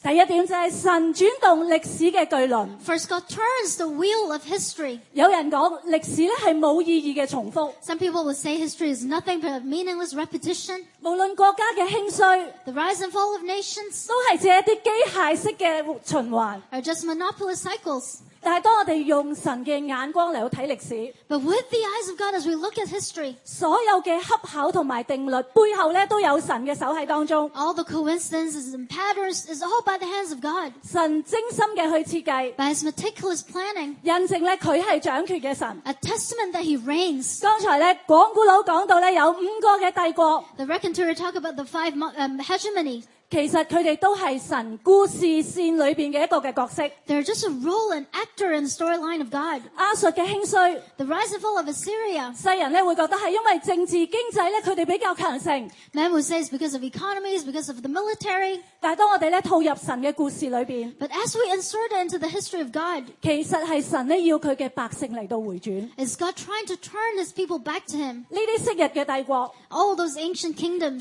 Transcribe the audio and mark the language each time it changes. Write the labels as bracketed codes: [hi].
[yue] 第一点就系神转动历史嘅巨轮。 [en] First, God turns the wheel of history。 [yue] 有人讲历史咧系冇意义嘅重复。 [en] Some people would say history is nothing but a meaningless repetition。 [yue] 无论国家嘅兴衰 [en] ，the rise and fall of nations， [yue] 都系只一啲机械式嘅循环 [en] ，are just monopolous cycles。 [yue] 但系当我哋用神嘅眼光嚟去睇历史 [en] ，but with the eyes of God as we look at history， [yue] 所有嘅恰巧同埋定律背后咧都有神嘅手喺当中。 [en] All the coincidences and patterns is all by the hands of God。 [yue] 神精心嘅去设计 [en] ，by His meticulous planning， [yue] 印证咧佢系掌权嘅神。 [en] A testament that He reigns。 [yue] 刚才咧广古佬讲到咧有五个嘅帝国 [en] ，the reconteurer talk about the five hegemony。 [yue] 其实佢哋都系神故事线里面嘅一个嘅角色。 [en] They're just a role and actor in the storyline of God. [yue] 亚述嘅兴衰 [en] ，the rise and fall of Assyria. [yue] 世人咧会觉得系因为政治经济咧，佢哋比较强盛。 [en] Men would say it's because of economies, because of the military. [yue] 但系当我哋咧套入神嘅故事里面 [en] ，but as we insert it into the history of God， [yue] 其实系神咧要佢嘅百姓嚟到回转。 [en] Is God trying to turn His people back to Him？ [yue] 呢啲昔日嘅帝国 [en] ，all those ancient kingdoms，